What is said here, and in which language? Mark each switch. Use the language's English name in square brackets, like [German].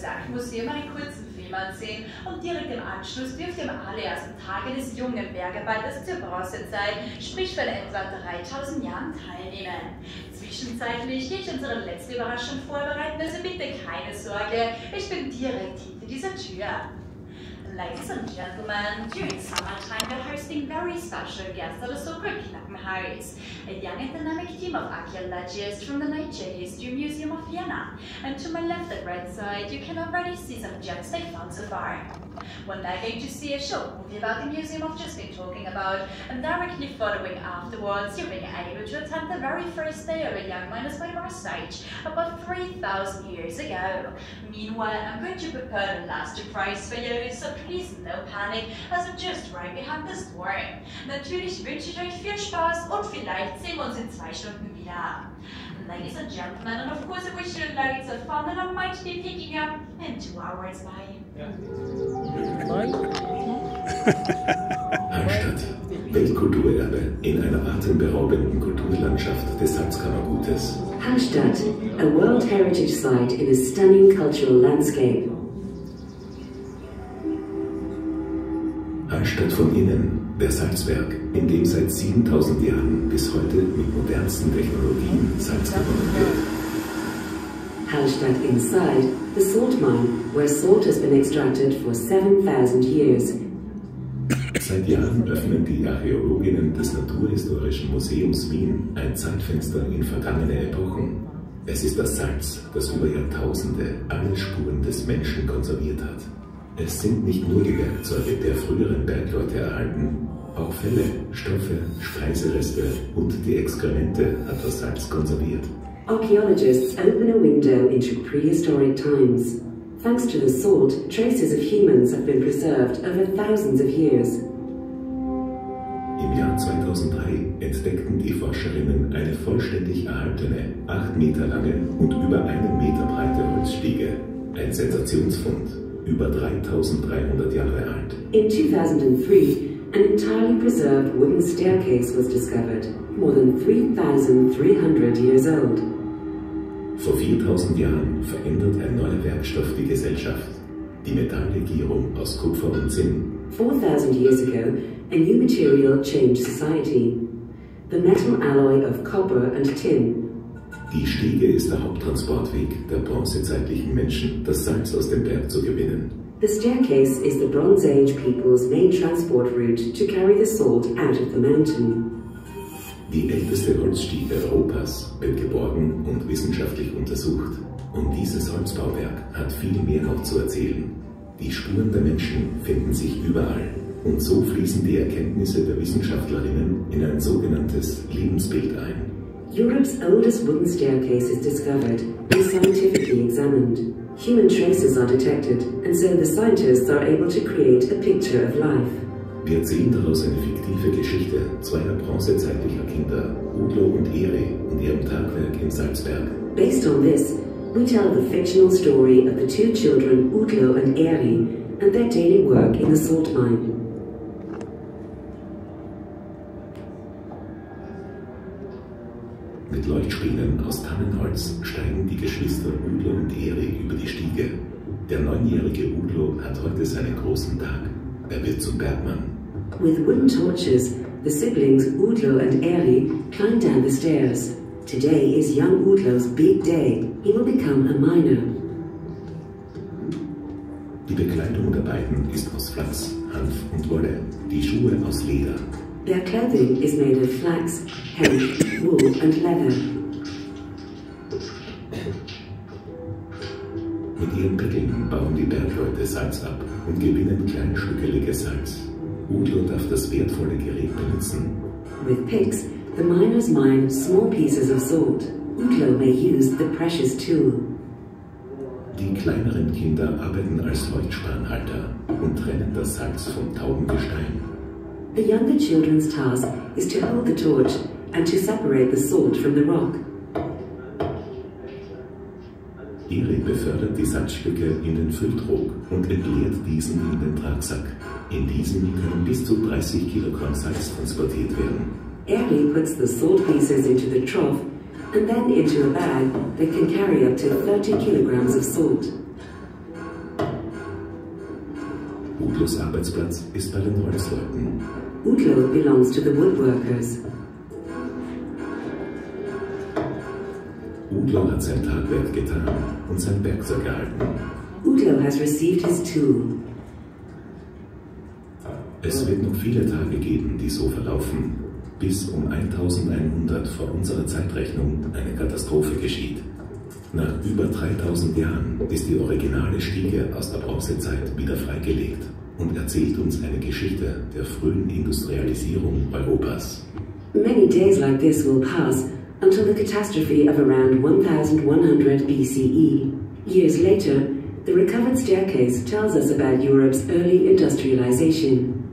[German] Museum einen kurzen Film ansehen und direkt im Anschluss dürft ihr am allerersten Tage des jungen Bergarbeiters zur Bronzezeit, sprich von etwa 3000 Jahren, teilnehmen. Zwischenzeitlich gehe ich unsere letzte Überraschung vorbereiten, also bitte keine Sorge, ich bin direkt hinter dieser Tür. [English] Ladies and gentlemen, during summertime we're hosting very special guests at the so-called Knappen House, a young and dynamic team of archaeologists from the Nature History Museum of Vienna. And to my left and right side, you can already see some gems they found so far. We're now going to see a short movie about the museum I've just been talking about, and directly following afterwards, you'll be able to attend the very first day of a young miner's passage, about 3,000 years ago. Meanwhile, I'm going to prepare the last surprise for you, so please no panic, as I'm just right behind this door. [German] Natürlich wünsche ich euch viel Spaß und vielleicht sehen wir uns in 2 Stunden wieder. [English] Ladies and gentlemen, and of course I wish you loads of fun, and I might be picking up in 2 hours, bye. [German] Hallstatt, Weltkulturerbe in einer atemberaubenden Kulturlandschaft des Salzkammergutes. [English] Hallstatt, a World Heritage Site in a stunning cultural landscape. [German] anstatt von innen der Salzwerk, in dem seit 7000 Jahren bis heute mit modernsten Technologien Salz gewonnen wird. [English] Hallstatt inside, the salt mine, where salt has been extracted for 7000 years. [German] Seit Jahren öffnen die Archäologinnen des Naturhistorischen Museums Wien ein Zeitfenster in vergangene Epochen. Es ist das Salz, das über Jahrtausende alle Spuren des Menschen konserviert hat. Es sind nicht nur die Werkzeuge der früheren Bergleute erhalten, auch Felle, Stoffe, Speisereste und die Exkremente hat das Salz konserviert. [English] Archaeologists open a window into prehistoric times. Thanks to the salt, traces of humans have been preserved over thousands of years. [German] Im Jahr 2003 entdeckten die Forscherinnen eine vollständig erhaltene, 8 Meter lange und über einen Meter breite Holzstiege. Ein Sensationsfund, über 3300 Jahre alt. [English] In 2003, an entirely preserved wooden staircase was discovered, more than 3300 years old. [German] Vor 4000 Jahren verändert ein neuer Werkstoff die Gesellschaft, die Metalllegierung aus Kupfer und Zinn. [English] 4000 years ago, a new material changed society. The metal alloy of copper and tin. [German] Die Stiege ist der Haupttransportweg der bronzezeitlichen Menschen, das Salz aus dem Berg zu gewinnen. [English] The staircase is the Bronze Age people's main transport route to carry the salt out of the mountain. [German] Die älteste Holzstiege Europas wird geborgen und wissenschaftlich untersucht. Und dieses Holzbauwerk hat viel mehr noch zu erzählen. Die Spuren der Menschen finden sich überall. Und so fließen die Erkenntnisse der Wissenschaftlerinnen in ein sogenanntes Lebensbild ein. [English] Europe's oldest wooden staircase is discovered and scientifically examined. Human traces are detected and so the scientists are able to create a picture of life. [German] Wir erzählen daraus eine fiktive Geschichte zweier bronzezeitlicher Kinder, Udo und Ere, und ihrem Tagwerk in Salzberg. [English] Based on this, we tell the fictional story of the two children, Udo and Ere, and their daily work in the salt mine. [German] Mit Leuchtspringen aus Tannenholz steigen die Geschwister Udo und Ere über die Stiege. Der neunjährige Udo hat heute seinen großen Tag. Er wird zum Bergmann. [English] With wooden torches, the siblings Udo and Ere climb down the stairs. Today is young Udlo's big day. He will become a miner. [German] Die Bekleidung der beiden ist aus Flachs, Hanf und Wolle. Die Schuhe aus Leder. [English] Their clothing is made of flax, hemp, wool and leather. [German] Mit ihren Pickeln bauen die Bergleute Salz ab und gewinnen kleinstückeliges Salz. Udo darf das wertvolle Gerät benutzen. [English] With picks, the miners mine small pieces of salt. Udo may use the precious tool. [German] Die kleineren Kinder arbeiten als Leuchtspanhalter und trennen das Salz vom Taubengestein. [English] The younger children's task is to hold the torch and to separate the salt from the rock. [German] Ere befördert die Salzstücke in den Fülltrog und entleert diesen in den Tragsack. In diesem können bis zu 30 Kilogramm Salz transportiert werden. [English] Ere puts the salt pieces into the trough and then into a bag that can carry up to 30 kilograms of salt. [German] Udlos Arbeitsplatz ist bei den Holzleuten. [English] Udlo belongs to the woodworkers. [German] Udlo hat sein Tagwerk getan und sein Werkzeug erhalten. [English] Udlo has received his tool. [German] Es wird noch viele Tage geben, die so verlaufen, bis um 1100 vor unserer Zeitrechnung eine Katastrophe geschieht. Nach über 3000 Jahren ist die originale Stiege aus der Bronzezeit wieder freigelegt und erzählt uns eine Geschichte der frühen Industrialisierung Europas. [English] Many days like this will pass until the catastrophe of around 1100 BCE. Years later, the recovered staircase tells us about Europe's early industrialization.